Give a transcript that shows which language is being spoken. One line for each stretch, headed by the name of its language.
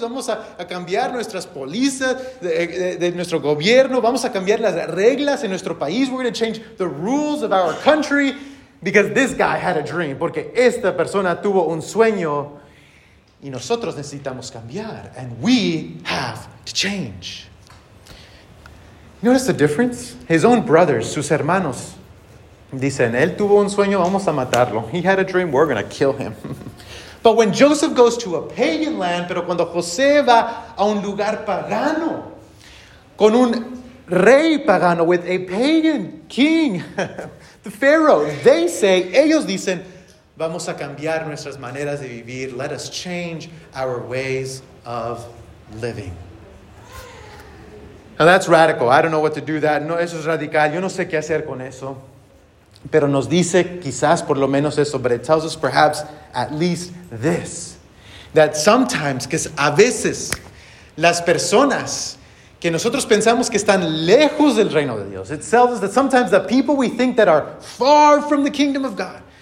Spanish: Vamos a cambiar nuestras pólizas de nuestro gobierno. Vamos a cambiar las reglas en nuestro país.
English: We're going to change the rules of our country. Because this guy had a dream.
Spanish: Porque esta persona tuvo un sueño. Y nosotros necesitamos cambiar.
English: And we have to change. Notice the difference? His own brothers,
Spanish: sus hermanos, dicen, él tuvo un sueño, vamos a matarlo.
English: He had a dream, we're going to kill him. But when Joseph goes to a pagan land,
Spanish: pero cuando José va a un lugar pagano, con un rey pagano,
English: with a pagan king, the Pharaoh, they say,
Spanish: ellos dicen, vamos a cambiar nuestras maneras de vivir.
English: Let us change our ways of living. Now that's radical. I don't know what to do with that.
Spanish: No, eso es radical. Yo no sé qué hacer con eso. Pero nos dice quizás por lo menos eso.
English: But it tells us perhaps at least this. That sometimes,
Spanish: que a veces, las personas que nosotros pensamos que están lejos del reino de Dios.
English: It tells us that sometimes the people we think that are far from the kingdom of God.